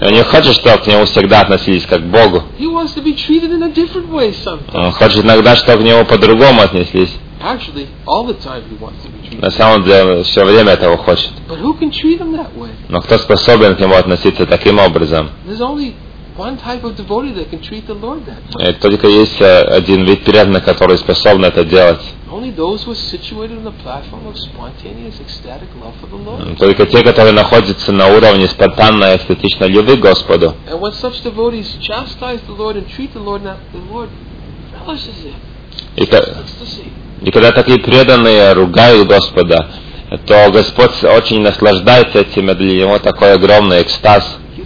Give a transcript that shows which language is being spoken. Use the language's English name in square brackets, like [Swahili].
[Russian] God. Он не хочет, чтобы к нему всегда относились как к Богу. [English] He wants to be treated in a different way sometimes. [Russian] Он хочет иногда, чтобы к нему по-другому отнеслись. [English] Actually, all the time he wants to be treated. [Russian] На самом деле, все время этого хочет. [English] But who can treat him that way? [Russian] Но кто способен к нему относиться таким образом? [English] There's only one type of devotee that can treat the Lord that way. [Russian] Только есть один вид преданных, который способен это делать. [English] Only those who are situated on the platform of spontaneous ecstatic love for the Lord. [Russian] Только те, которые находятся на уровне спонтанной эстетичной любви к Господу. [English] And when such devotees chastise the Lord and treat the Lord that the Lord relishes it. [Russian] И когда такие преданные ругают Господа, то Господь очень наслаждается этим, и для него такой огромный экстаз.